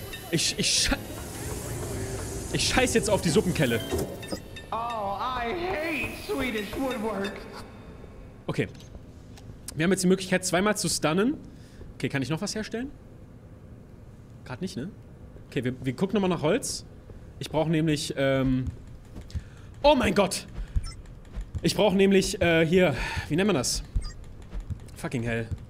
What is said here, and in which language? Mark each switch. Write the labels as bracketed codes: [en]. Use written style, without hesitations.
[de] Ich scheiß jetzt auf die Suppenkelle. [en] Oh, I hate Swedish woodwork. Okay. [de] Wir haben jetzt die Möglichkeit, zweimal zu stunnen. Okay, kann ich noch was herstellen? Gerade nicht, ne? Okay, wir gucken nochmal nach Holz. Ich brauche nämlich, oh mein Gott! Ich brauche nämlich, hier, wie nennt man das? [en] Fucking hell.